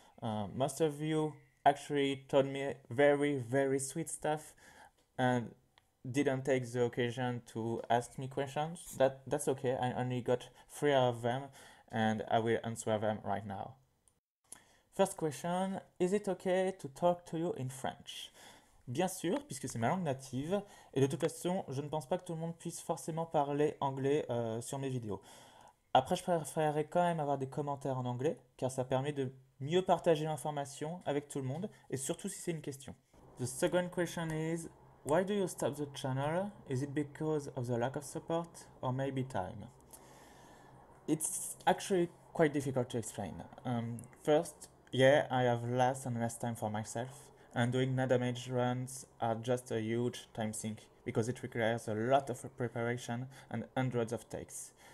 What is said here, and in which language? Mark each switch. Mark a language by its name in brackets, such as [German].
[English] Most of you actually told me very, very sweet stuff and didn't take the occasion to ask me questions. That's okay, I only got three of them and I will answer them right now. First question, is it okay to talk to you in French? [French] Bien sûr, puisque c'est ma langue native, et de toute façon, je ne pense pas que tout le monde puisse forcément parler anglais sur mes vidéos. Après, je préférerais quand même avoir des commentaires en anglais, car ça permet de mieux partager l'information avec tout le monde, et surtout si c'est une question. [English] The second question is, why do you stop the channel? Is it because of the lack of support, or maybe time? It's actually quite difficult to explain. First, yeah, I have less and less time for myself, and doing no damage runs are just a huge time sink because it requires a lot of preparation and hundreds of takes.